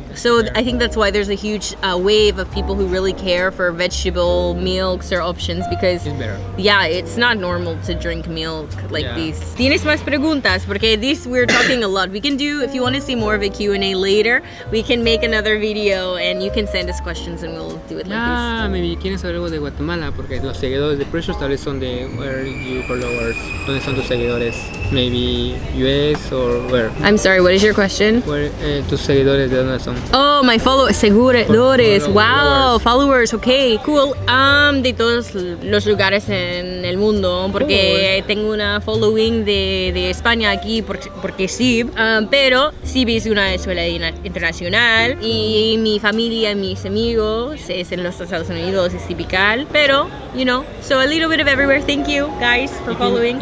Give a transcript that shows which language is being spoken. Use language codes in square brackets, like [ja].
[en] So I think that's why there's a huge wave of people who really care for vegetable milks or options, because yeah, it's not normal to drink milk like this. [es] ¿Tienes más preguntas? Porque [en] this, we're talking a lot. We can do, if you want to see more of a Q&A later, we can make another video and you can send us questions and we'll do it like this. Maybe [es] ¿quieres saber algo de Guatemala? Porque los seguidores de Precious tal vez son de, [en] where are you followers? [es] ¿Dónde son tus seguidores? [en] Maybe US or where? I'm sorry, what is your question? Where, [es] tus seguidores, ¿de dónde son? [en] Oh, my followers, [es] seguidores, [en] followers, okay, cool. [es] De todos los lugares en el mundo, porque tengo una following de España aquí, porque sí. Pero sí, es una escuela internacional y mi familia, mis amigos, es en los Estados Unidos, es tipical. Pero, [en] you know, so a little bit of everywhere. Thank you, guys, for following.